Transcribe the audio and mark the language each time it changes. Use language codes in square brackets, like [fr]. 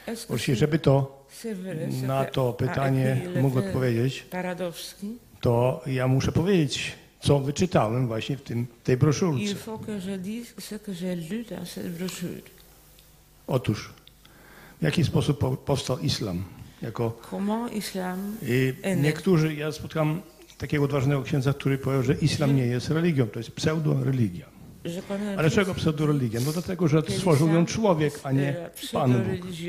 [pl] Właśnie, żeby to na to pytanie mógł odpowiedzieć, to ja muszę powiedzieć co wyczytałem właśnie w tym, tej broszurce. [fr] Il faut que je dise ce que j'ai lu dans cette brochure. [pl] Otóż, w jaki sposób powstał islam? Jako, [fr] comment islam [pl] i niektórzy, ja spotkałem takiego odważnego księdza, który powiedział, że islam nie jest religią, to jest pseudo-religia. Ale czego pseudo-religia? No dlatego, że stworzył ją człowiek, a nie Pan Bóg.